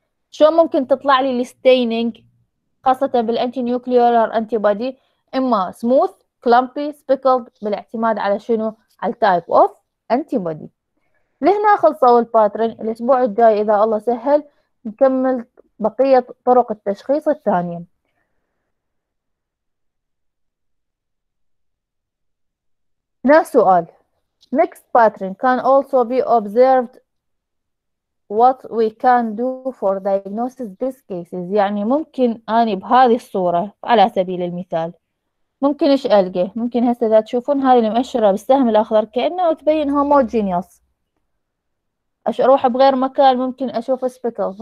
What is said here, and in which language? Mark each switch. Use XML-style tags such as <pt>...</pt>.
<ar>شو ممكن تطلع لي الستيننج خاصة بالانتي نيوكليير انتي بادي؟ اما سموث، كلامبي، سبيكلد، بالاعتماد على شنو؟ على التايب اوف انتي بادي. لهنا خلصوا الباترن. الاسبوع الجاي اذا الله سهل نكمل بقية طرق التشخيص الثانية. هنا سؤال:</ar> <en>Next pattern can also be observed. What we can do for diagnosis these cases؟</en> <ar>يعني ممكن أني بهذه الصورة على سبيل المثال ممكن إيش ألقى؟ ممكن هسه إذا تشوفون هذه المؤشرة بالسهم الأخضر كأنه تبين هوموجينيوس، أروح بغير مكان ممكن أشوف سبيكلز.</ar>